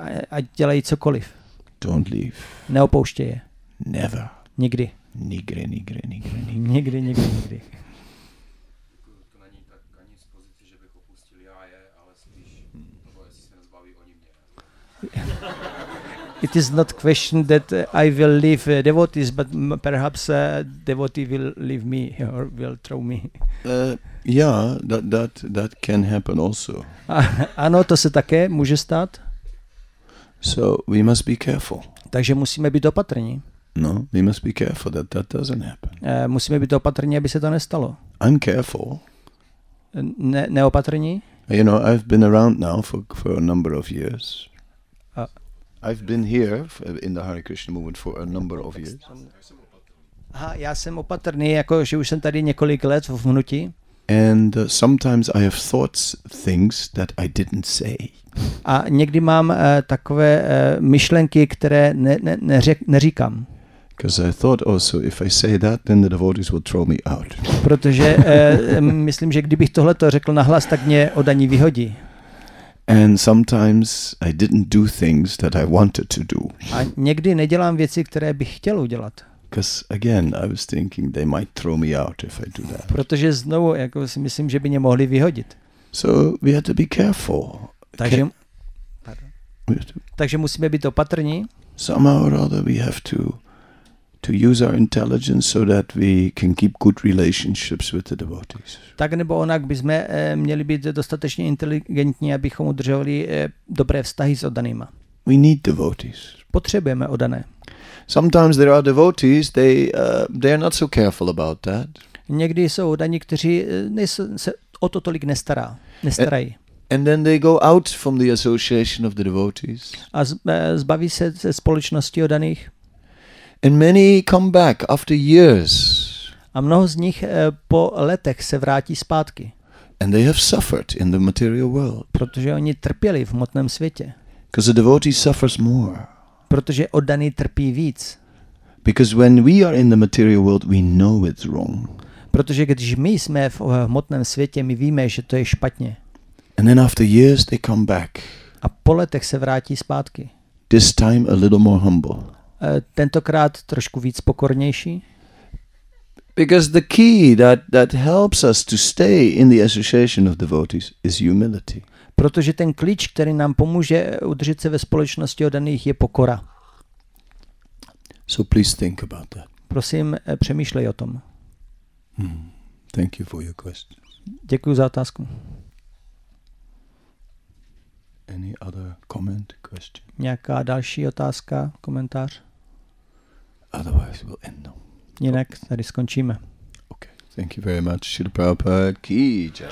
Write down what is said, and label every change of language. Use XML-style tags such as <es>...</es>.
<cs>Ať dělají cokoliv.</cs> <en>Don't leave.</en> <cs>Neopouštějí.</cs> <en>Never.</en> <cs>Nikdy. Nikdy. To není tak ani z pozici, že bych opustil já je, ale spíš, nebo jestli se nezbaví oni mě.</cs> <en>It is not question that I will leave devotees, but perhaps a devotee will leave me or will throw me. Yeah, that can happen also.</en> <cs>Ano, to se také může stát.</cs> <en>So we must be careful.</en> <cs>Takže musíme být opatrní.</cs> <en>No, we must be careful that doesn't happen.</en> <cs>Musíme být opatrní, aby se to nestalo.</cs> <en>I'm careful.</en> <cs>Neopatrní?</cs> <en>You know, I've been around now for a number of years. I've been here in the Hare Krishna movement for a number of years.</en> <cs>Já jsem opatrný, jako že už jsem tady několik let v hnutí.</cs> <en>And sometimes I have thoughts, things that I didn't say.</en> <cs>A někdy mám takové myšlenky, které neříkám.</cs> <en>Because I thought also if I say that, then the devotees will throw me out.</en> <cs>Protože myslím, že kdybych tohle to řekl nahlas, tak mě oddaní vyhodí.</cs> <en>And sometimes I didn't do things that I wanted to do.</en> <cs>A někdy nedělám věci, které bych chtěl udělat.</cs> <en>Because again, I was thinking they might throw me out if I do that.</en> <cs>Protože znovu, jako si myslím, že by mě mohli vyhodit.</cs> <en>So we have to be careful.</en> <cs>Takže musíme být opatrní.</cs> <en>Somehow or other we have to use our intelligence so that we can keep good relationships with the devotees.</en> <cs>Tak nebo onak bychom měli být dostatečně inteligentní, abychom udržovali dobré vztahy s oddanýma.</cs> <en>We need devotees.</en> <cs>Potřebujeme oddané.</cs> <en>Sometimes there are devotees, they are not so careful about that.</en> <cs>Někdy jsou oddaní, kteří se o to tolik nestarají.</cs> <en>And then they go out from the association of the devotees.</en> <cs>A zbaví se ze společnosti oddaných.</cs> <en>And many come back after years.</en> <cs>A mnoho z nich po letech se vrátí zpátky.</cs> <en>And they have suffered in the material world.</en> <cs>Protože oni trpěli v hmotném světě.</cs> <en>Because the devotee suffers more.</en> <cs>Protože oddaný trpí víc.</cs> <en>Because when we are in the material world, we know it's wrong.</en> <cs>Protože když my jsme v hmotném světě, my víme, že to je špatně.</cs> <en>And then after years they come back.</en> <cs>A po letech se vrátí zpátky.</cs> <en>This time a little more humble.</en> <cs>Tentokrát trošku víc pokornější.</cs> <en>Because the key that helps us to stay in the association of devotees is humility.</en> <cs>Protože ten klíč, který nám pomůže udržet se ve společnosti oddaných, je pokora.</cs> <en>So please think about that.</en> <cs>Prosím, přemýšlej o tom.</cs> <en>Thank you for your question.</en> <cs>Děkuji za otázku.</cs> <en>Any other comment, question?</en> <cs>Nějaká další otázka, komentář?</cs> <en>Otherwise we'll end now.</en> <cs>Jinak tady skončíme.</cs> <en>Okay, thank you very much. Srila Prabhupada ki jai.</en>